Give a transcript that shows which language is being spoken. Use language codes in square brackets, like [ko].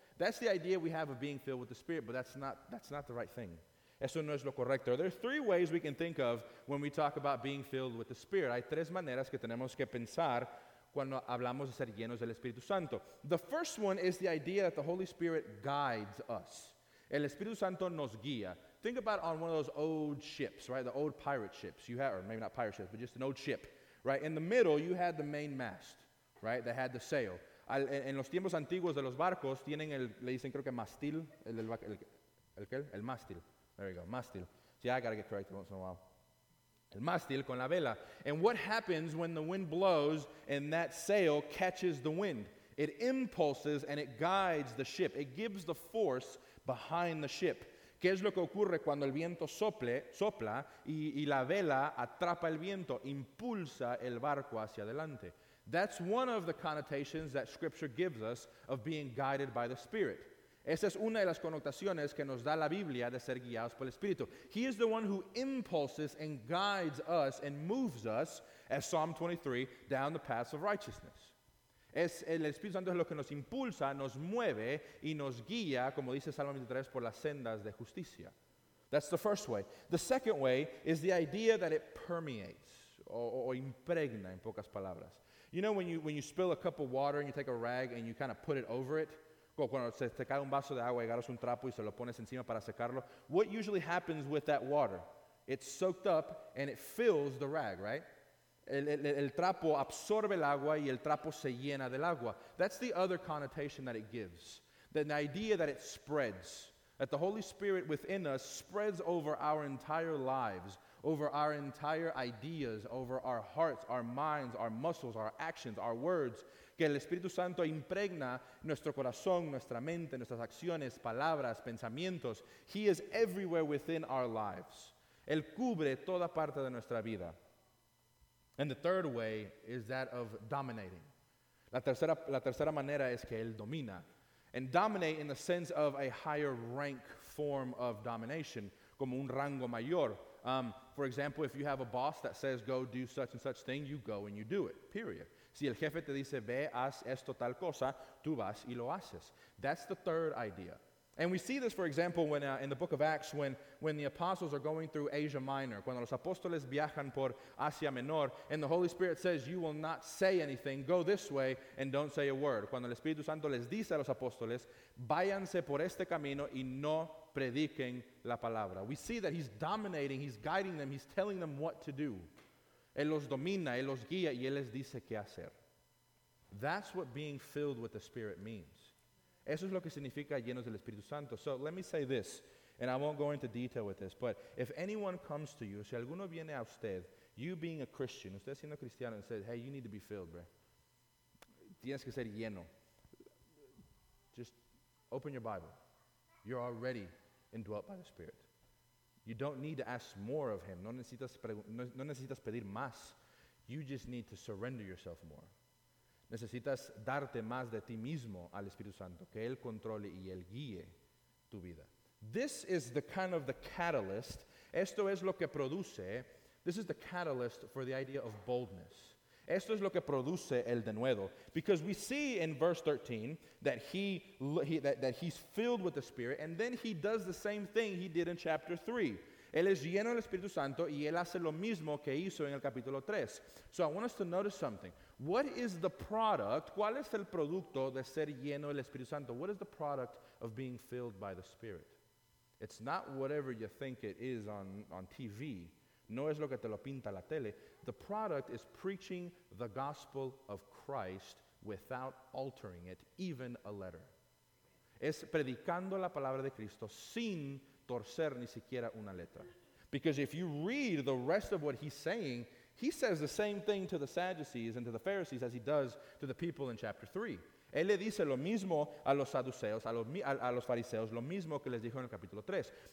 [en] That's the idea we have of being filled with the Spirit, but that's not the right thing. [es] Eso no es lo correcto. [en] There are three ways we can think of when we talk about being filled with the Spirit. [es] Hay tres maneras que tenemos que pensar cuando hablamos de ser llenos del Espíritu Santo. [en] The first one is the idea that the Holy Spirit guides us. [es] El Espíritu Santo nos guía. [en] Think about on one of those old ships, right? The old pirate ships. You have, or maybe not pirate ships, but just an old ship, right? In the middle, you had the main mast, right? That had the sail. [es] En los tiempos antiguos de los barcos, tienen le dicen creo que mástil, el mástil. [en] There you go, [es] mástil. [en] See, I gotta get corrected once in a while. [es] el mástil con la vela. [en] And what happens when the wind blows and that sail catches the wind? It impulses and it guides the ship. It gives the force behind the ship. [es] ¿Qué es lo que ocurre cuando el viento sopla y la vela atrapa el viento, impulsa el barco hacia adelante? [en] That's one of the connotations that Scripture gives us of being guided by the Spirit. [es] Esa es una de las connotaciones que nos da la Biblia de ser guiados por el Espíritu. [en] He is the one who impulses and guides us and moves us, as Psalm 23, down the paths of righteousness. [es] Es el Espíritu Santo es lo que nos impulsa, nos mueve y nos guía, como dice Salmo 23, por las sendas de justicia. [en] That's the first way. The second way is the idea that it permeates, [es] o impregna, en pocas palabras. [en] You know when you spill a cup of water and you take a rag and you kind of put it over it? [es] Cuando se te cae un vaso de agua y agarras un trapo y se lo pones encima para secarlo. [en] What usually happens with that water? It's soaked up and it fills the rag, right? [es] El trapo absorbe el agua y el trapo se llena del agua. [en] That's the other connotation that it gives. The idea that it spreads. That the Holy Spirit within us spreads over our entire lives, over our entire ideas, over our hearts, our minds, our muscles, our actions, our words. [es] Que el Espíritu Santo impregna nuestro corazón, nuestra mente, nuestras acciones, palabras, pensamientos. [en] He is everywhere within our lives. [es] Él cubre toda parte de nuestra vida. [en] And the third way is that of dominating. [es] La tercera manera es que Él domina. [en] And dominate in the sense of a higher rank form of domination, [es] como un rango mayor. [en] For example, if you have a boss that says, go do such and such thing, you go and you do it, period. [es] Si el jefe te dice, ve, haz esto tal cosa, tú vas y lo haces. [en] That's the third idea. And we see this, for example, in the book of Acts, when the apostles are going through Asia Minor, [es] cuando los apóstoles viajan por Asia Menor, [en] and the Holy Spirit says, you will not say anything, go this way, and don't say a word. [es] Cuando el Espíritu Santo les dice a los apóstoles, váyanse por este camino y no prediquen la palabra. [en] We see that he's dominating, he's guiding them, he's telling them what to do. [es] Él los domina, Él los guía y Él les dice qué hacer. [en] That's what being filled with the Spirit means. [es] Eso es lo que significa llenos del Espíritu Santo. [en] So let me say this, and I won't go into detail with this, but if anyone comes to you, [es] si alguno viene a usted, [en] you being a Christian, [es] usted siendo cristiano, [en] and says, hey, you need to be filled, bro. [es] Tienes que ser lleno. [en] Just open your Bible. You're already indwelt by the Spirit. You don't need to ask more of him. [es] No necesitas pedir más. [en] You just need to surrender yourself more. [es] Necesitas darte más de ti mismo al Espíritu Santo, que él controle y él guíe tu vida. [en] This is the kind of the catalyst. [es] Esto es lo que produce. [en] This is the catalyst for the idea of boldness. [es] Esto es lo que produce el denuedo. [en] Because we see in verse 13 that he's filled with the Spirit, and then he does the same thing he did in chapter 3. [es] Él es lleno del Espíritu Santo, y él hace lo mismo que hizo en el capítulo 3. [en] So I want us to notice something. What is the product? [es] ¿Cuál es el producto de ser lleno del Espíritu Santo? [en] What is the product of being filled by the Spirit? It's not whatever you think it is on TV. [es] No es lo que te lo pinta la tele. [en] The product is preaching the gospel of Christ without altering it, even a letter. [es] Es predicando la palabra de Cristo sin torcer ni siquiera una letra. [en] Because if you read the rest of what he's saying, he says the same thing to the Sadducees and to the Pharisees as he does to the people in chapter 3. [es] Él le dice lo mismo a los saduceos, a los fariseos, lo mismo que les dijo en el capítulo 3.